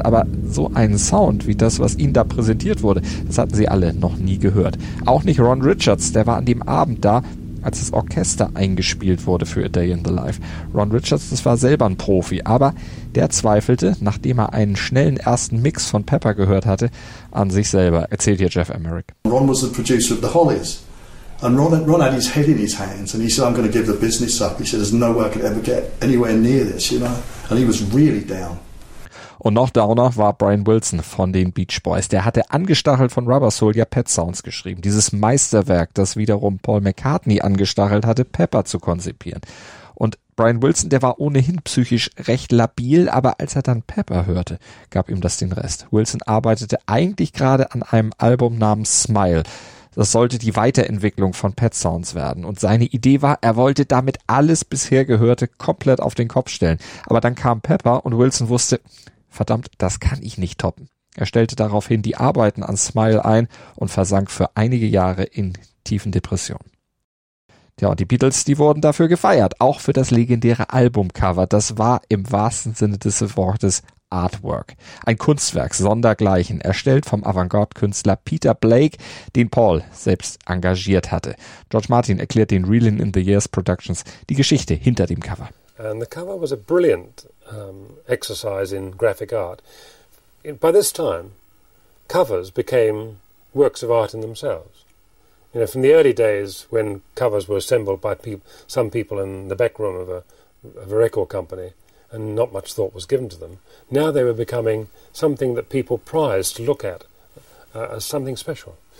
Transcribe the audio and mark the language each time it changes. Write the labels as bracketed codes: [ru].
[de] Aber so einen Sound wie das, was ihnen da präsentiert wurde, das hatten sie alle noch nie gehört. Auch nicht Ron Richards, der war an dem Abend da, als das Orchester eingespielt wurde für A Day in the Life. Ron Richards, das war selber ein Profi, aber der zweifelte, nachdem er einen schnellen ersten Mix von Pepper gehört hatte, an sich selber, erzählt hier Jeff Emerick. [en] Ron was the producer of the Hollies. And Ron had his head in his hands and he said, I'm going to give the business up. He said, there's no way I could ever get anywhere near this, you know. And he was really down. [de] Und noch downer war Brian Wilson von den Beach Boys. Der hatte angestachelt von Rubber Soul ja Pet Sounds geschrieben. Dieses Meisterwerk, das wiederum Paul McCartney angestachelt hatte, Pepper zu konzipieren. Und Brian Wilson, der war ohnehin psychisch recht labil, aber als er dann Pepper hörte, gab ihm das den Rest. Wilson arbeitete eigentlich gerade an einem Album namens Smile. Das sollte die Weiterentwicklung von Pet Sounds werden. Und seine Idee war, er wollte damit alles bisher Gehörte komplett auf den Kopf stellen. Aber dann kam Pepper und Wilson wusste, verdammt, das kann ich nicht toppen. Er stellte daraufhin die Arbeiten an Smile ein und versank für einige Jahre in tiefen Depressionen. Tja, und die Beatles, die wurden dafür gefeiert, auch für das legendäre Albumcover. Das war im wahrsten Sinne des Wortes Artwork. Ein Kunstwerk sondergleichen, erstellt vom Avantgarde-Künstler Peter Blake, den Paul selbst engagiert hatte. George Martin erklärt den Reeling in the Years Productions die Geschichte hinter dem Cover. [en] And the cover was a brilliant exercise in graphic art. By this time, covers became works of art in themselves. You know, from the early days when covers were assembled by some people in the back room of a record company and not much thought was given to them, now they were becoming something that people prized to look at as something special.